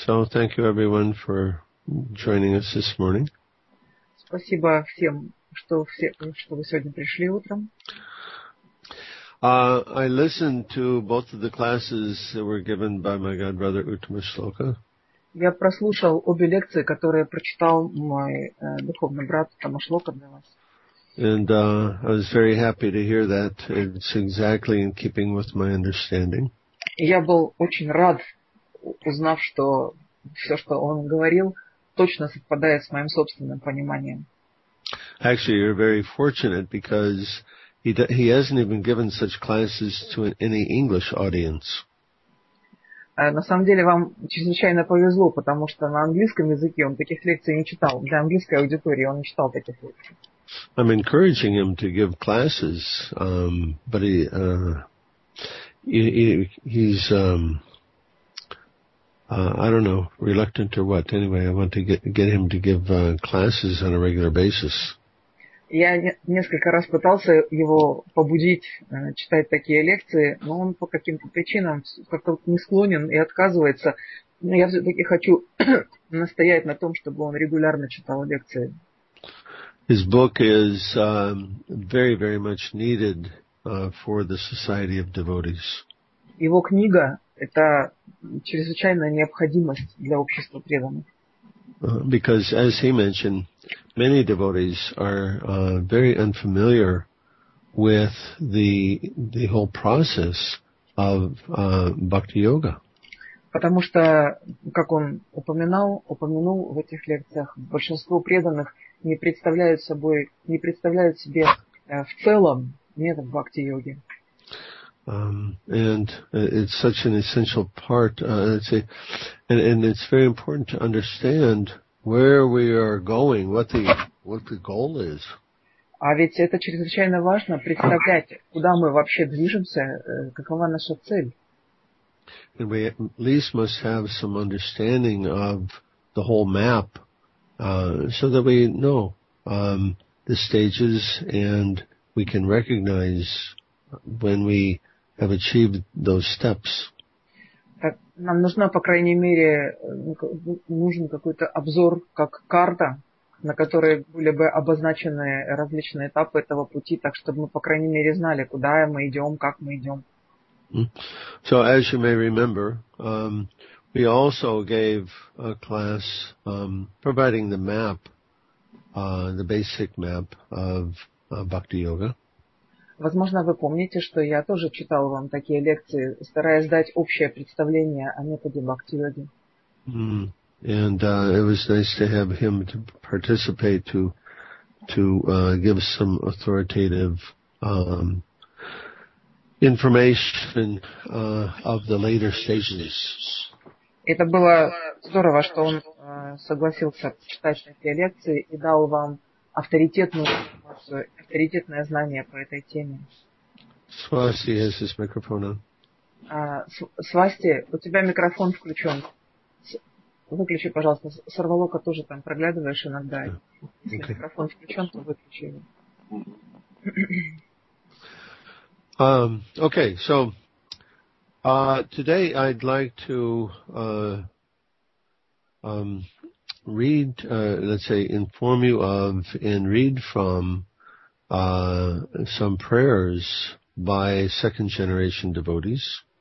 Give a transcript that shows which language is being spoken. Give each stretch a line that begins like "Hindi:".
English: So thank you everyone for joining us this morning.
Russian: Спасибо всем, что вы сегодня пришли утром.
English: I listened to both of the classes that were given by my godbrother Uttama Shloka.
Russian: Я прослушал обе лекции, которые прочитал мой духовный брат Тома Шлока для вас.
English: And I was very happy to hear that. It's exactly in keeping with my understanding.
Russian: Я был очень рад, узнав, что все, что он говорил, точно совпадает с моим собственным пониманием.
English: Actually, you're very fortunate because he hasn't even given such classes to any English audience.
Russian: На самом деле, вам чрезвычайно повезло, потому что на английском языке он таких лекций не читал. Для английской аудитории он не читал таких лекций.
English: I'm encouraging him to give classes, but I don't know, reluctant or what. Anyway, I want to get him to give classes on a regular basis.
Russian: Я несколько раз пытался его побудить читать такие лекции, но он по каким-то причинам как-то не склонен и отказывается. Но я все-таки хочу настоять на том, чтобы он регулярно читал лекции.
English: His book is very, very much needed for the Society of Devotees.
Russian: Его книга – это чрезвычайная необходимость для общества преданных.
English: Because, as he mentioned, many devotees are very unfamiliar with the whole process of bhakti yoga.
Russian: Потому что, как он упомянул в этих лекциях, большинство преданных не представляют себе в целом метод бхакти йоги.
English: And it's such an essential part. And it's very important to understand where we are going, what the goal is.
Russian: А ведь это чрезвычайно важно представлять, куда мы вообще движемся, какова наша цель.
English: And we at least must have some understanding of the whole map, so that we know the stages and we can recognize when we have achieved those steps.
Russian: Так, нам нужна, по крайней мере, нужен какой-то обзор, как карта, на которой были бы обозначены различные этапы этого пути, так чтобы мы, по крайней мере, знали, куда мы идем, как мы идем.
English: So, as you may remember, we also gave a class providing the map, the basic map of Bhakti Yoga.
Russian: Возможно, вы помните, что я тоже читал вам такие лекции, стараясь дать общее представление о методе бхакти-йоги.
English: And it was nice to have him to participate to give some authoritative information of the later stages.
Russian: Это было здорово, что он согласился читать такие лекции и дал вам авторитетное знание по этой теме.
English: Свасти, has his microphone on.
Russian: Свасти, у тебя микрофон включен. Выключи, пожалуйста. Сарвалока тоже там проглядываешь иногда.
English: Yeah. Okay.
Russian: Если микрофон включен, то выключи его.
English: Okay, so today I'd like to inform you of and read from some prayers by second generation devotees.